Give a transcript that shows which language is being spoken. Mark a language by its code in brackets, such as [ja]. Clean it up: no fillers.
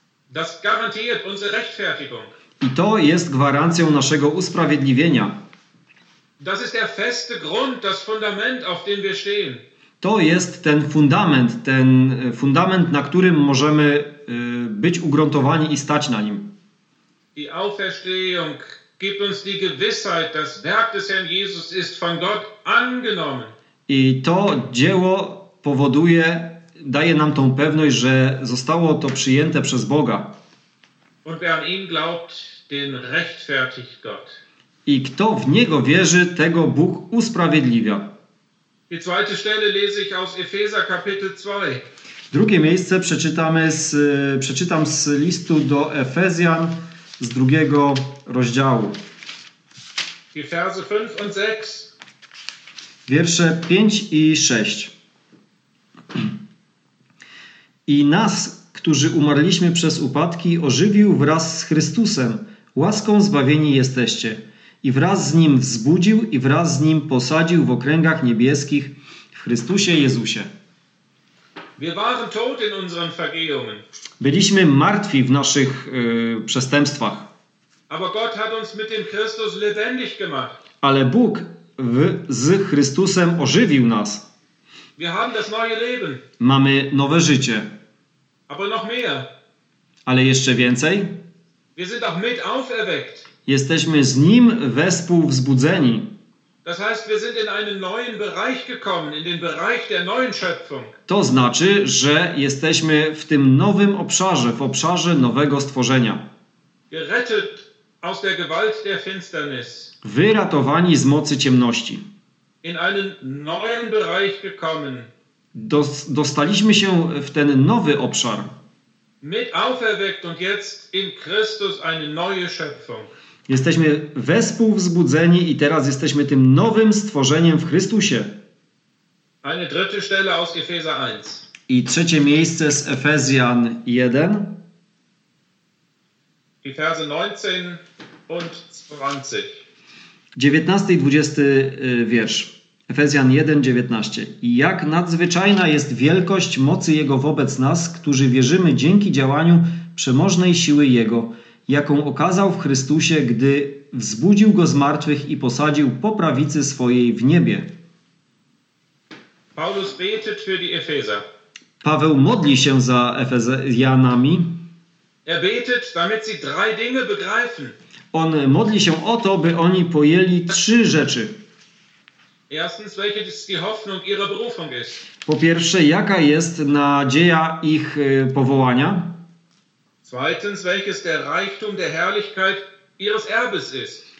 [de] Das garantiert unsere Rechtfertigung. [pl] I to jest gwarancją naszego usprawiedliwienia. [de] Das ist der feste Grund, das Fundament, auf dem wir stehen. [pl] To jest ten fundament, na którym możemy być ugruntowani i stać na nim. [de] Die Auferstehung gibt uns die Gewissheit, das Werk des Herrn Jesus ist von Gott angenommen. [pl] I to dzieło powoduje, daje nam tą pewność, że zostało to przyjęte przez Boga. [de] Und wer an ihn glaubt, den rechtfertigt Gott. [pl] I kto w Niego wierzy, tego Bóg usprawiedliwia. [de] Die zweite Stelle lese ich aus Epheser Kapitel 2. [pl] Drugie miejsce przeczytam z listu do Efezjan z drugiego rozdziału. [de] Die Verse 5 und 6. [pl] Wiersze 5 i 6. I nas, którzy umarliśmy przez upadki, ożywił wraz z Chrystusem. Łaską zbawieni jesteście. I wraz z Nim wzbudził i wraz z Nim posadził w okręgach niebieskich w Chrystusie Jezusie. [de] Wir waren tot in unseren Vergehungen. [pl] Byliśmy martwi w naszych przestępstwach. [de] Aber Gott hat uns mit dem Christus lebendig gemacht. [pl] Ale Bóg z Chrystusem ożywił nas. [de] Wir haben das neue Leben. [pl] Mamy nowe życie. [de] Aber noch mehr. [pl] Ale jeszcze więcej. [de] Wir sind auch mit auferweckt. [pl] Jesteśmy z Nim wespół wzbudzeni. [de] Das heißt, wir sind in einen neuen Bereich gekommen, in den Bereich der neuen Schöpfung. [pl] To znaczy, że jesteśmy w tym nowym obszarze, w obszarze nowego stworzenia. [de] Gerettet aus der Gewalt der Finsternis. [pl] Wyratowani z mocy ciemności. [de] In einen neuen Bereich gekommen. [pl] Dostaliśmy się w ten nowy obszar. [de] Mit auferweckt und jetzt in Christus eine neue Schöpfung. [pl] Jesteśmy wespół wzbudzeni i teraz jesteśmy tym nowym stworzeniem w Chrystusie. [de] Eine dritte Stelle aus Epheser 1. [pl] I trzecie miejsce z Efezjan 1. [de] Die Verse 19 und 20. [pl] 19 i 20 wiersz. Efezjan 1, 19. I jak nadzwyczajna jest wielkość mocy Jego wobec nas, którzy wierzymy dzięki działaniu przemożnej siły Jego, jaką okazał w Chrystusie, gdy wzbudził Go z martwych i posadził po prawicy swojej w niebie. [de] Paulus betet für die Epheser. [pl] Paweł modli się za Efezjanami. [de] Er betet, damit sie drei Dinge begreifen. [pl] On modli się o to, by oni pojęli trzy rzeczy. [de] Erstens, welche ist die Hoffnung ihrer Berufung ist. [pl] Po pierwsze, jaka jest nadzieja ich powołania? [de] Zweitens, welches der Reichtum der Herrlichkeit ihres Erbes ist.